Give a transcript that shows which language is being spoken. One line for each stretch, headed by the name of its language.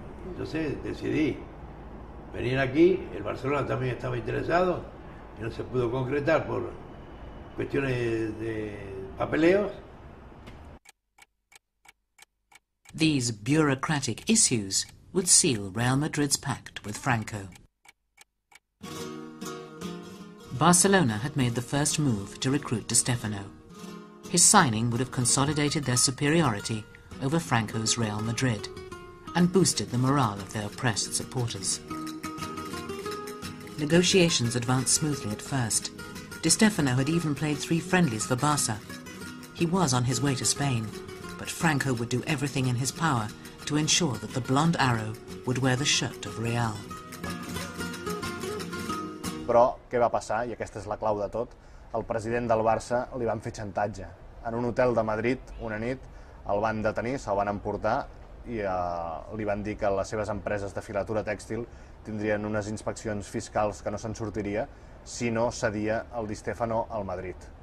Spanish: Entonces decidí venir aquí, el Barcelona también estaba interesado y no se pudo concretar por cuestiones de papeleos.
English: These bureaucratic issues would seal Real Madrid's pact with Franco. Barcelona had made the first move to recruit Di Stefano. His signing would have consolidated their superiority over Franco's Real Madrid and boosted the morale of their oppressed supporters. Negotiations advanced smoothly at first. Di Stefano had even played 3 friendlies for Barca. He was on his way to Spain, but Franco would do everything in his power to ensure that the Blonde Arrow would wear the shirt of Real.
Catalan: Però què va passar, i aquesta és la clau de tot, el president del Barça li van fer xantatge. En un hotel de Madrid, una nit, el van detenir, se'l van emportar i li van dir que les seves empreses de filatura tèxtil tindrien unes inspeccions fiscals que no se'n sortiria si no cedia el Di Stefano al Madrid.